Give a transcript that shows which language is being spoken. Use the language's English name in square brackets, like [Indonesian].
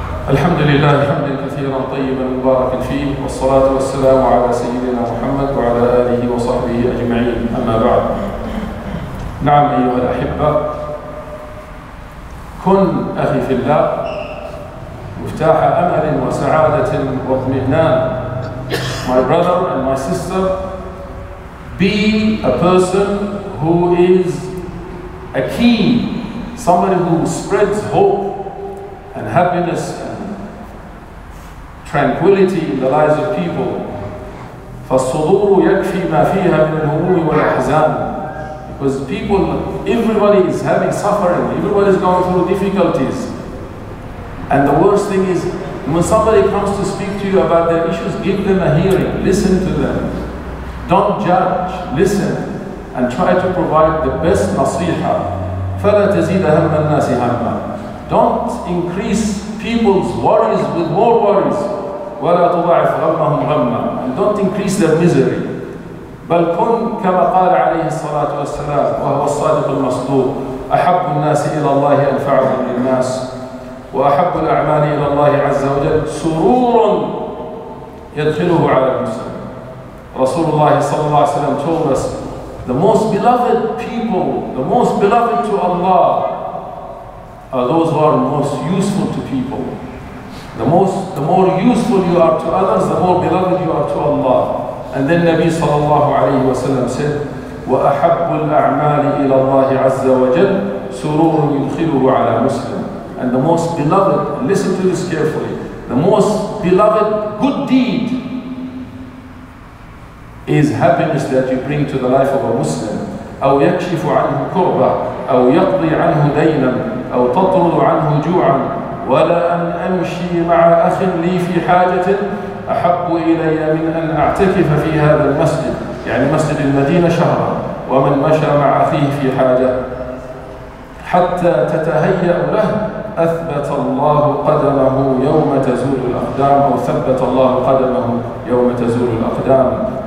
[Arabic] الحمد لله حمدا كثيرا طيبا مباركا فيه، والصلاة والسلام على سيدنا محمد وعلى آله وصحبه أجمعين، أما بعد. نعم أيها الأحبة، كن أخي في الله مفتاح أمل وسعادة واطمئنان. [English] My brother and my sister, be a person who is a key, somebody who spreads hope and happiness tranquility in the lives of people. [Arabic] فالصدور يكفي ما فيها من الهموم والأحزان. [English] Because people, everybody is having suffering, everybody is going through difficulties. And the worst thing is, when somebody comes to speak to you about their issues, give them a hearing, listen to them. Don't judge, listen, and try to provide the best nasiha. [Arabic] فلا تزيد هم الناس هما. [English] Don't increase people's worries with more worries. [Arabic] ولا تضعف غمهم غما. [English] And don't increase their misery. [Arabic] بل كن كما قال عليه الصلاة والسلام وهو الصادق المصدوق، أحب الناس إلى الله أنفعهم للناس، وأحب الأعمال إلى الله عز وجل سرور يدخله على المسلم. رسول الله صلى الله عليه وسلم [English] told us, the most beloved people, the most beloved to Allah are those who are most useful to people. The more useful you are to others, the more beloved you are to Allah. And then Nabi sallallahu alayhi wa sallam said, [Arabic] وَأَحَبُّ الْأَعْمَالِ إِلَى اللَّهِ عَزَّ وَجَلُّ سُرُورٌ يُدْخِلُهُ عَلَى مُسْلِمٍ. [English] And the most beloved, listen to this carefully, the most beloved good deed is happiness that you bring to the life of a Muslim. [Arabic] أَوْ يَكْشِفُ عَنْهُ كُرْبًا أَوْ يَقْضِي عَنْهُ دَيْنًا أَوْ تَطْرُدُ عَنْهُ جُوعًا ولا أن أمشي مع أخ لي في حاجة أحب إلي من أن أعتكف في هذا المسجد، يعني مسجد المدينة شهرا، ومن مشى مع أخيه في حاجة حتى تتهيأ له أثبت الله قدمه يوم تزول الأقدام، أو ثبت الله قدمه يوم تزول الأقدام.